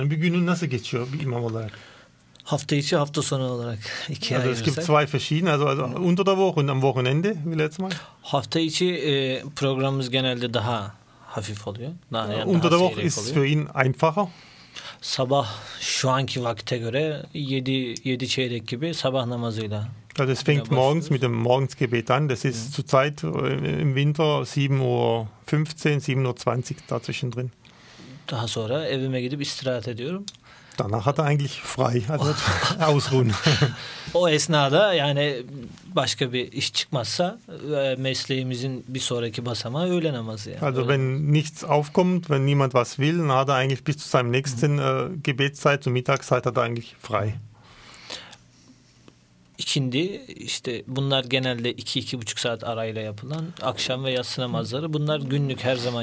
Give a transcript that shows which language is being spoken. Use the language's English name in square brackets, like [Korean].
[Turkish] Yani bir günün nasıl geçiyor bir imam olarak? Hafta içi, hafta sonu olarak. İki [German] also es gibt zwei verschiedene, also unter der Woche und am Wochenende, wie letztes Mal? [Turkish] Hafta içi programımız genelde daha hafif oluyor. [German] Unter der Woche ist für ihn einfacher. [Turkish] Sabah şu anki vakte göre 7 çeyrek gibi sabah namazıyla. [German] Also es fängt morgens mit dem Morgensgebet an. Das ist zurzeit im Winter 7:15, 7:20 dazwischen drin. [Turkish] Daha sonra evime gidip istirahat ediyorum. [German] Danach hat er eigentlich frei, also ausruhen. [Turkish] O esnada yani başka bir iş çıkmazsa mesleğimizin bir sonraki basamağı öğle namazı. Yani. [German] Also wenn nichts aufkommt, wenn niemand was will, dann hat er eigentlich bis zu seinem nächsten Gebetszeit, zur Mittagszeit hat er eigentlich frei. [Turkish] İkindi, işte bunlar genelde 2-2,5 saat arayla yapılan akşam ve yatsı namazları. Bunlar günlük her zaman